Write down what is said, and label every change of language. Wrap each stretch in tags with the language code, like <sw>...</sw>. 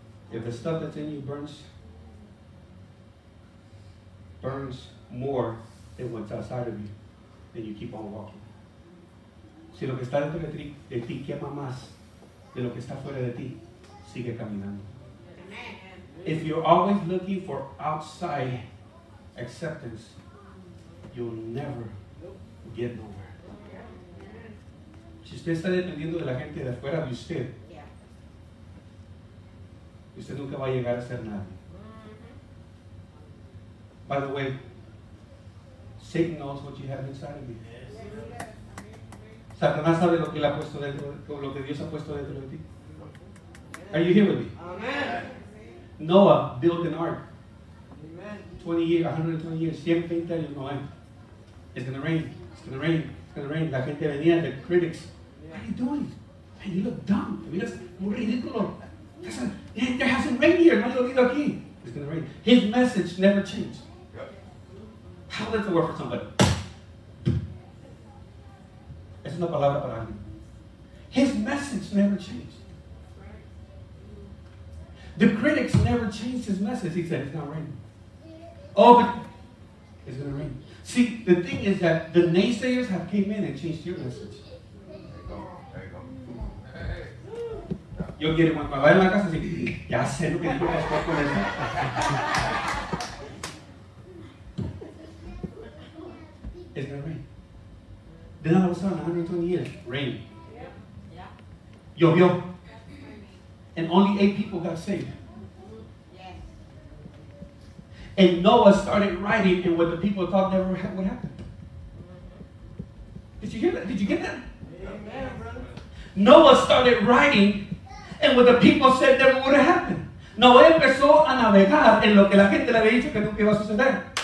<en>If the stuff that's in you burns more than what's outside of you, then you keep on walking.</en> <es>Si lo que está dentro de ti quema más de lo que está fuera de ti, sigue caminando.</es> <en>If you're always looking for outside acceptance, you'll never get nowhere.</en> <es>Si usted está dependiendo de la gente de afuera de usted, usted nunca va a llegar a ser nadie.</es> <en>By the way, Satan knows what you have inside of you.</en> <es>Satanás sabe lo que él ha puesto dentro, lo que Dios ha puesto dentro de ti.</es> <en>Are you here with me? Amen. Noah built an ark. Amen. 120 years,</en> <es>120 años,</es> <en>Noah. It's gonna rain.</en> <es>La gente venía,</es> <en>the critics. What are you doing? Man, you look dumb. I mean, that's</en> <es>muy ridículo.</es> <en>There hasn't rained here.</en> <es>No ha llovido aquí.</es> <en>It's gonna rain. His message never changed. How does it work for somebody?</en> <es>Es una palabra para alguien.</es> <en>His message never changed. The critics never changed his message. He said, it's not raining. Oh, but it's going to rain. See, the thing is that the naysayers have came in and changed your message. There you go.</en> <es>Yo quiero, cuando vaya a la casa, digo, ya sé lo que dijo Pastor con él.</es> <en>It's going to rain. Then all of a sudden, 120 years, rain. Yeah. Yo, yo. And only 8 people got saved. Yes. And Noah started writing, and what the people thought never would happen. Mm-hmm. Did you hear that? Did you get that? Amen, brother. Noah started writing, and what the people said never would happen.</en> <es>Noah empezó a navegar en lo que la gente le había dicho que nunca iba a suceder.</es>